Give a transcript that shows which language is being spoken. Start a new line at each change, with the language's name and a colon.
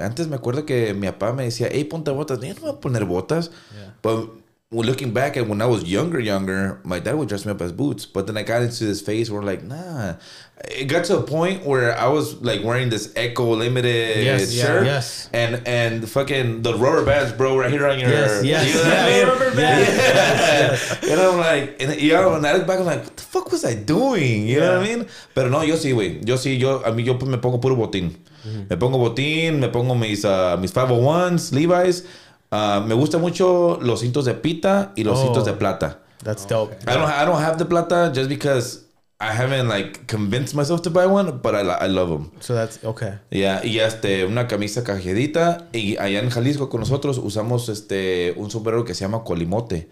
Spanish: Antes me acuerdo que mi papá me decía, hey, ponte botas. Yo no voy a poner botas. Yeah.
English: But well, looking back at when I was younger, my dad would dress me up as boots. But then I got into this phase where, like, nah. It got to a point where I was, like, wearing this Echo Limited shirt. Yeah, yes. And fucking the rubber bands, bro, right here on your... Yes. You know what I mean? And I'm like, what the fuck was I doing? You know what I mean?
Spanish: Pero no, yo sí, güey. Yo sí, yo, a mí, yo me pongo puro botín. Mm-hmm. Me pongo botín, me pongo mis 501s, Levi's. Me gusta mucho los cintos de pita y los cintos de plata.
English: That's dope. Okay. I don't have the plata just because I haven't, like, convinced myself to buy one, but I love them. So that's okay.
Spanish: Yeah, y una camisa cajedita. Y allá en Jalisco con nosotros usamos un sombrero que se llama colimote.